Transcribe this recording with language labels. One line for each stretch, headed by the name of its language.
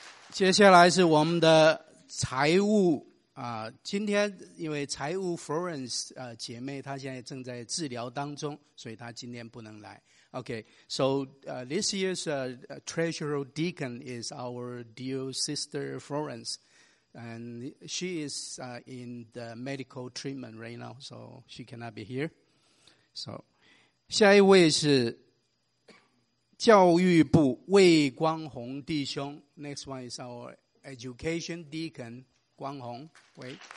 Chinese: 接下来是我们的财务今天因为财务 Florence 姐妹她现在正在治疗当中，所以她今天不能来。
English: Okay, so this year's treasurer deacon is our dear sister Florence, and she is in the medical treatment right now, so she cannot be here. So
Chinese: 下一位是教育部魏光宏弟兄。
English: Next one is our education deacon, 光宏。
Chinese: 喂。